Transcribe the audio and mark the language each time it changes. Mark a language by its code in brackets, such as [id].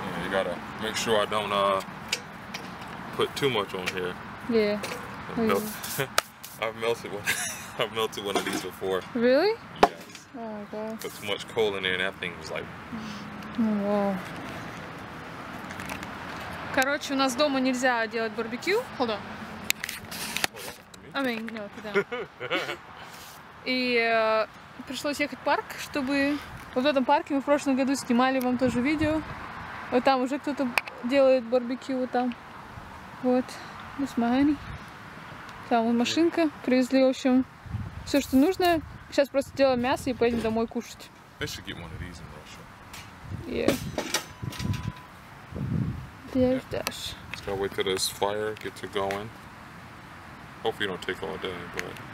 [en] Gotta make sure I don't put too much on here. Yeah. I've melted one of these before. Really? Yes. Oh god. Put too much coal in there and that thing was like. Oh, wow. [ru] Короче, у нас дома нельзя делать барбекю. [en] Hold on. I mean, no, for them. [ru] И пришлось ехать в парк, чтобы вот в этом парке мы в прошлом году снимали вам тоже видео. Вот там уже кто-то делает барбекю, вот там. Вот. [en] That's my honey. [ru] Там вот машинка. Привезли, в общем, все, что нужно. Сейчас просто делаем мясо и поедем домой кушать. [en] They should get one of these in Russia. Yeah. There's Dash. Just gotta wait till this fire gets it going. Hopefully it don't take all day, but...